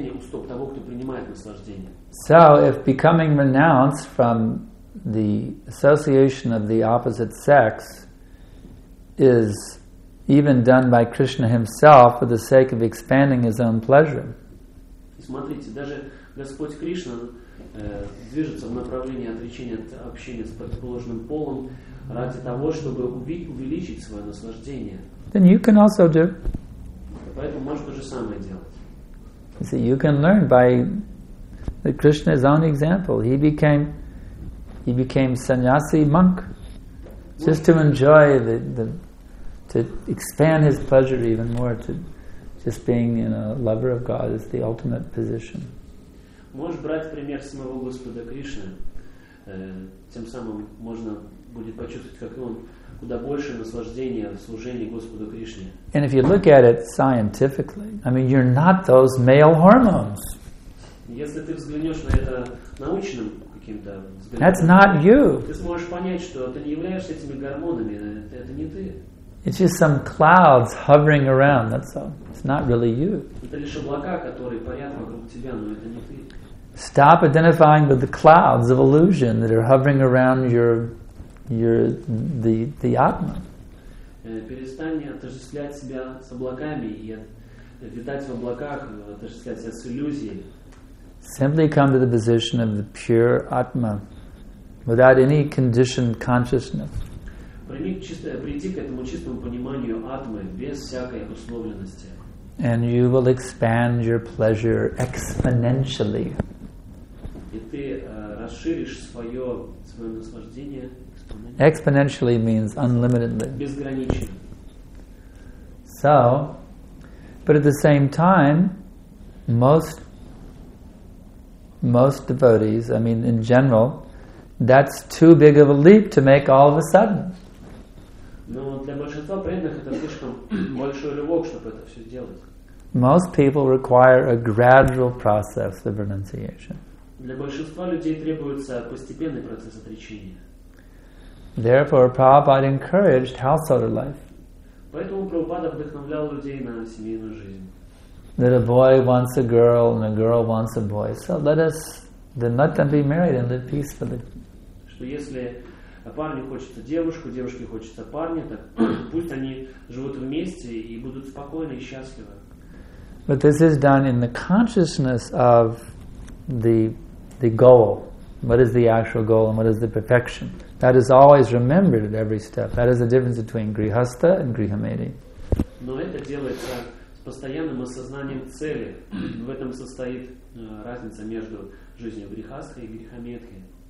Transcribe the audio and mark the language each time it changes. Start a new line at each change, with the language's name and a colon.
English: So, if becoming renounced from the association of the opposite sex is even done by Krishna himself for the sake of expanding his own pleasure.
Russian: Смотрите, даже Господь Кришна движется в направлении отречения от общения с противоположным полом ради того, чтобы увеличить свое наслаждение.
English: Then you can also do.
Russian: Поэтому можно то же самое делать.
English: See, you can learn by the Krishna's own example. He became sannyasi monk just to enjoy to expand his pleasure even more, to just being a lover of God is the ultimate position.
Russian: Можешь брать пример самого Господа Кришны. Тем самым можно будет почувствовать, как он куда больше наслаждения в служении Господу Кришне.
English: And if you look at it scientifically, you're not those male hormones.
Russian: Если ты взглянешь на это научным каким-то взглядом,
English: that's not you.
Russian: Ты сможешь понять, что ты не являешься этими гормонами, это не ты.
English: It's just some clouds hovering around, that's all. It's not really you.
Russian: Это лишь облака, которые парят вокруг тебя, но это не ты.
English: Stop identifying with the clouds of illusion that are hovering around your you're the Atma.
Russian: Перестань отождествлять себя с облаками и витать в облаках, отождествлять себя с иллюзией.
English: Simply come to the position of the pure Atma, without any conditioned consciousness.
Russian: Прийти к этому чистому пониманию Атмы без всякой условленности.
English: And you will expand your pleasure exponentially.
Russian: И ты расширишь свое наслаждение.
English: Exponentially means unlimitedly.
Russian: Безгранично.
English: So, but at the same time, most devotees, I mean in general, that's too big of a leap to make all of a sudden.
Russian: Но для большинства преданных это слишком большой рывок, чтобы это все сделать.
English: Most people require a gradual process of renunciation.
Russian: Для большинства людей требуется постепенный процесс отречения.
English: Therefore, Prabhupada encouraged householder life.
Russian: Поэтому Прабхупада вдохновлял людей на семейную жизнь.
English: That a boy wants a girl and a girl wants a boy. So let them be married and live peacefully.
Russian: Что если парню хочется девушку, девушке хочется парня, так пусть они живут вместе и будут спокойны и счастливы.
English: But this is done in the consciousness of the goal. What is the actual goal and what is the perfection? That is always remembered at every step. That is the difference between grihastha and grihamedi.
Russian: Но это делается с постоянным осознанием цели. В этом состоит разница между жизнью грихастхи и грихамедхи.